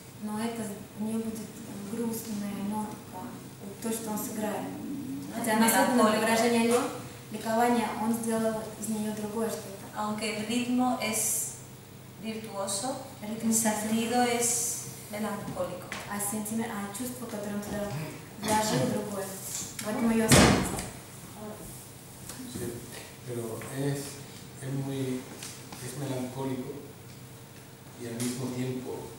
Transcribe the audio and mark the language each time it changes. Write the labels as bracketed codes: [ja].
[ru] Но это у нее будет грустная нотка, то, что он сыграет. Хотя на самом деле выражение его ликования, он сделал из нее другое что-то. [es] Aunque el ritmo es virtuoso, el sonido es melancólico. [ru] А сентимент, а чувство, которое он туда вложил, другое. Поэтому ее осталось. [es] Sí, pero es muy es melancólico y al mismo tiempo